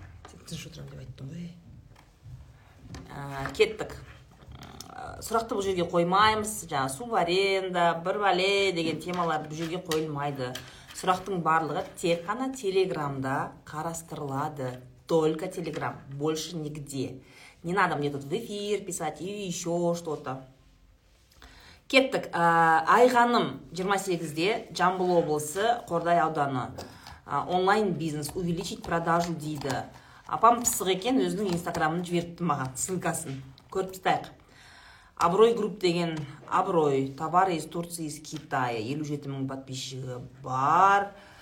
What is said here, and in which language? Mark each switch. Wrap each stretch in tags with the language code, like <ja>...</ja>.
<kk>Тыныш отырам деп айттым ғой. Кеттік. Сұрақты бұл жерге қоймаймыз. Жаңа субаренда, бір бәле деген темалар бұл жерге қойылмайды. Сұрақтың барлығы тек қана телеграмда қарастырылады.</kk> <ru>Только телеграм, больше нигде. Не надо мне тут в эфир писать и еще что-то.</ru> <kk>Кеттік. Айғаным 28-де Жамбыл облысы, Қордай ауданы. Онлайн бизнес,</kk> <ru>увеличить продажу</ru> <kk>дейді. Апам пысық екен, өзінің инстаграмын жіберіпті маған, ссылкасын. Көріп тұрсыздар. Абырой групп деген, абырой,</kk> <ru>товар из Турции, из Китая,</ru> <kk>57 мың подписчигі бар.</kk>